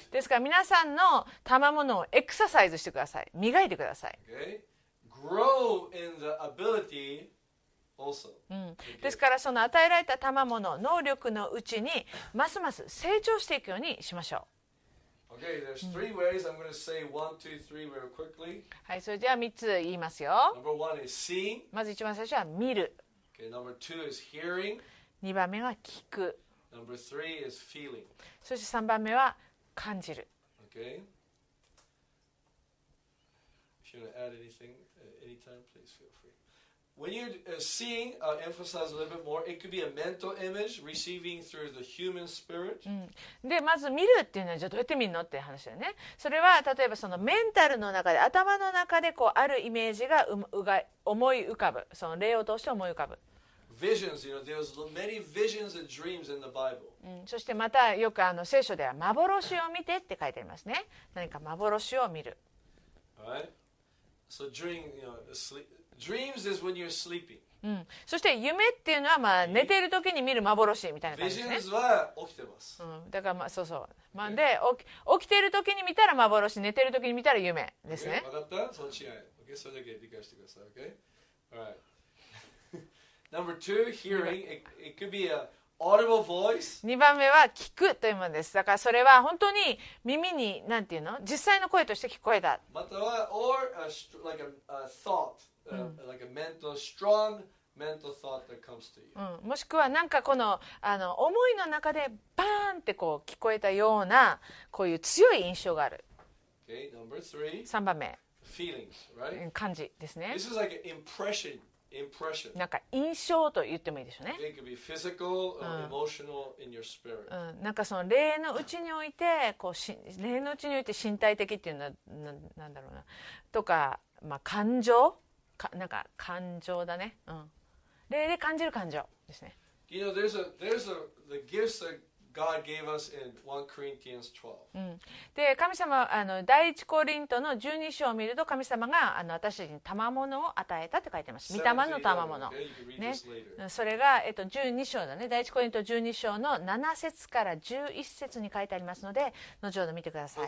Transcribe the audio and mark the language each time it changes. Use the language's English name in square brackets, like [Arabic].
[Japanese] ですから皆さんの賜物をエクササイズしてください、磨いてください、 [English] okay? Grow in the ability also. [Japanese] ですからその与えられた賜物能力のうちにますます成長していくようにしましょう。 [English] Okay, there's three ways. I'm going to say one, two, three very quickly. [Japanese] はい、それでは3つ言いますよ。 [English] Number one is seeing. [Japanese] まず一番最初は見る。 [English] Okay, number two is hearing. [Japanese] 2番目は聞く。 [English] Number three is feeling. [Japanese] そして3番目は感じる。 [English] Okay. If you want to add anything. Anytime, please feel free. When you're seeing, emphasize a little bit more. It could be a mental image receiving through the human spirit. [Japanese] で、まず見るっていうのはじゃあどうやって見るのって話だよね。それは例えばそのメンタルの中で、頭の中でこうあるイメージが思い浮かぶ。その霊を通して思い浮かぶ。 [English] Visions, you know, there's many visions and dreams in the Bible. [Japanese] そしてまたよく聖書では幻を見てって書いてありますね。何か幻を見る。 [English] All right. So dream, you know, sleep. Dreams is when you're sleeping. [Japanese] そして夢っていうのは、まあ、寝ている時に見る幻みたいな感じですね。 Visions は起きてます。だから、まあ、そうそう。Okay. まあ、で、起きている時に見たら幻、寝ている時に見たら夢ですね。 Okay. 分かった？その違い。Okay. それだけ理解してください。 [English] Okay. All right. Number two, hearing. It could be a audible voice. [Japanese] 2番目は聞くというものです。だからそれは本当に耳に何て言うの？実際の声として聞こえた。 [English] または or a, like a thought, like a mental strong mental thought that comes to you. [Japanese] もしくはなんかこの思いの中でバーンってこう聞こえたようなこういう強い印象がある。 [English] Okay, number three. [Japanese] 三番目。 [English] Feelings, right? [Japanese] 感じですね。 [English] This is like an impression. [Japanese] なんか印象と言ってもいいでしょうね。 [English] It could be physical or emotional in your spirit. [Japanese] なんかその霊のうちにおいて、こう霊のうちにおいて身体的っていうのは何だろうな。とか、まあ、感情か、なんか感情だね。霊で感じる感情ですね。 [English] You know, there's the gifts that God gave us in 1 Corinthians 12. [Japanese] で、神様、第一コリントの12章を見ると、神様が私たちに賜物を与えたって書いてます。御霊の賜物。ね。それが、12章だね。第一コリント12章の7節から11節に書いてありますので、後ほど見てください。